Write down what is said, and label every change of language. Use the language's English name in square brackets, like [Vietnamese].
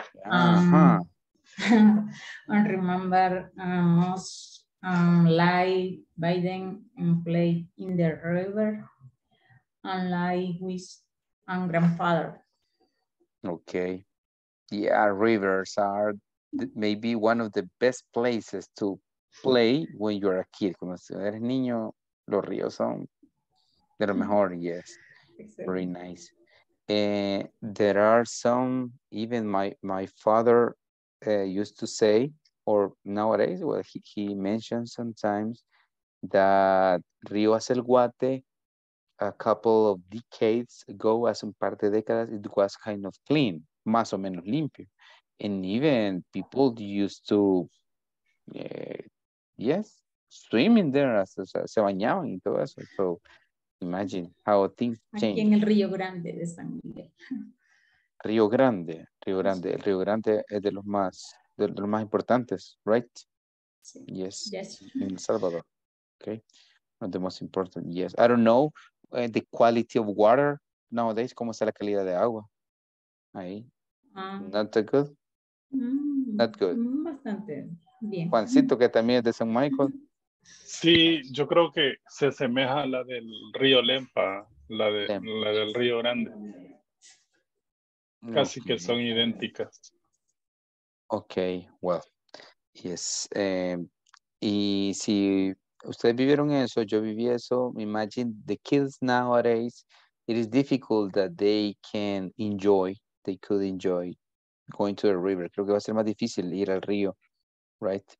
[English] I remember most like bathing and play in the river, and like with my grandfather. Okay. Yeah, rivers are maybe one of the best places to play when you're a kid. [Spanish] Cuando eres niño, los ríos son de lo mejor, yes. [English] Very nice. There are some, even my father used to say, or nowadays, well, he mentioned sometimes that Rio Hace el Guate, a couple of decades ago, [Spanish] hace un par de décadas, [English] it was kind of clean, [Spanish] más o menos limpio. [English] And even people used to, yes, swim in there, [Spanish] se bañaban y todo eso. [English] So imagine how things change. [Spanish] Aquí en el Río Grande de San Miguel. Río Grande. El Río Grande es de los más importantes, right? Sí. [English] Yes. Yes. In El Salvador. Okay. One of the most important, yes. I don't know the quality of water nowadays. [Spanish] ¿Cómo está la calidad de agua? Ahí. [English] Not that good? Not good. [Spanish] Bastante bien. Juancito, que también es de San Michael. Sí, yo creo que se asemeja a la del río Lempa, la del río Grande. Casi okay. Que son idénticas. [English] Ok, well, yes. [Spanish] Y si ustedes vivieron eso, yo viví eso, [English] imagine the kids nowadays, it is difficult that they can enjoy, they could enjoy going to a river. [Spanish] Creo que va a ser más difícil ir al río, right?